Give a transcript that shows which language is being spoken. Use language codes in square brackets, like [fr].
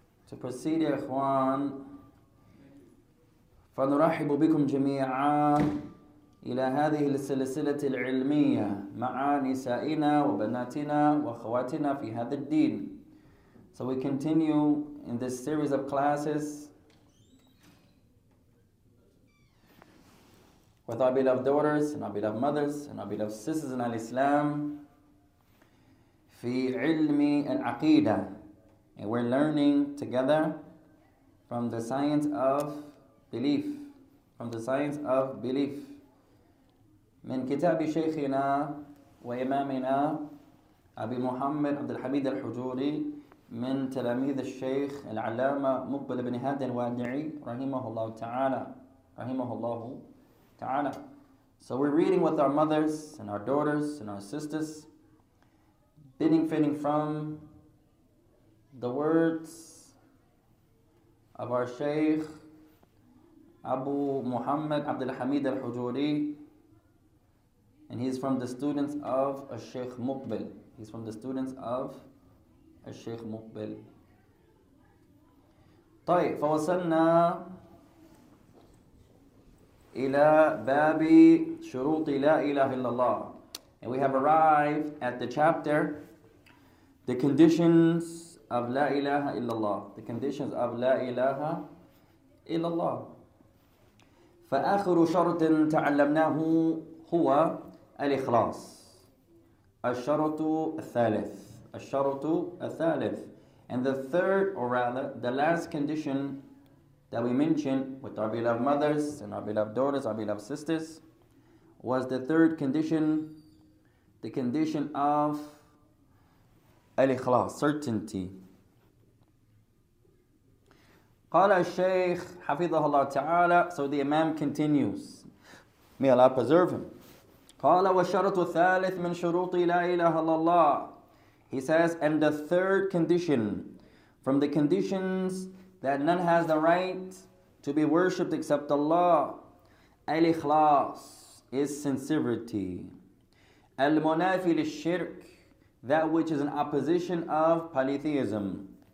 [en] To proceed, ikhwan, [ar] فَنُرَحِبُ بِكُمْ جَمِيعًا إِلَى هَذِهِ السِّلْسِلَةِ الْعِلْمِيَّةِ مَعَ نِسَائِنَا وَبَنَاتِنَا وَأَخَوَاتِنَا فِي هَذَا الدِّينِ. [en] So we continue in this series of classes with our beloved daughters and our beloved mothers and our beloved sisters in Al-Islam [ar] فِي عِلْمِ الْعَقِيدَةِ. [en] And we're learning together from the science of belief. From the science of belief. [ar] من كتاب شيخنا وإمامنا أبي محمد عبد الحميد الحجوري من تلاميذ الشيخ العلامة مقبل بن هادي الوادعي رحمه الله تعالى رحمه الله تعالى. [en] So we're reading with our mothers and our daughters and our sisters, benefiting from the words of our Shaykh Abu Muhammad Abdul Hamid Al-Hujuri, and he's from the students of a Shaykh Muqbil. He's from the students of a Shaykh Muqbil. [ar] طيب فوصلنا إلى باب شروط لا إله إلا الله. [en] And we have arrived at the chapter, the conditions of La Ilaha Illallah, the conditions of La Ilaha Illallah. [ar] فَآخِرُ شَرْطٍ تَعَلَّمْنَاهُ هُوَ الْإِخْلَاصِ الشَّرْطُ الثَّالِثِ الشَّرْطُ الثَّالِثِ. [en] And the third, or rather, the last condition that we mentioned with our beloved mothers and our beloved daughters, our beloved sisters, was the third condition, the condition of الْإِخْلَاصِ, certainty. [ar] قال الشيخ حفظه الله تعالى. [en] So the Imam continues. May Allah preserve him. [ar] قال والشرط الثالث من شروط لا إله إلا الله. [en] He says, and the third condition from the conditions that none has the right to be worshipped except Allah, الإخلاص, is sincerity. [ar] المنافي للشرك, [en] that which is in opposition of polytheism.